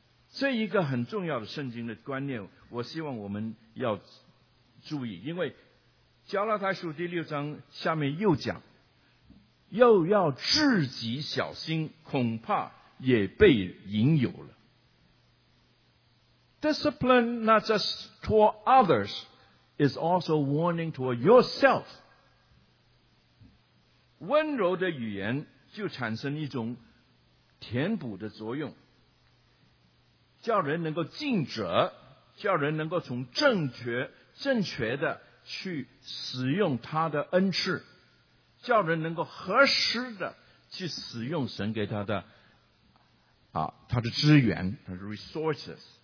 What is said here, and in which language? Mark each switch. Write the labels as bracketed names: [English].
[Chinese] 这一个很重要的圣经的观念，我希望我们要注意，因为加拉太书第六章下面又讲，又要自己小心，恐怕也被引诱了。 [English] Discipline not just toward others is also warning toward yourself。 [Chinese] 温柔的语言就产生一种填补的作用，叫人能够尽责，叫人能够从正确的去使用他的恩赐，叫人能够合适的去使用神给他的他的资源，他的 resources。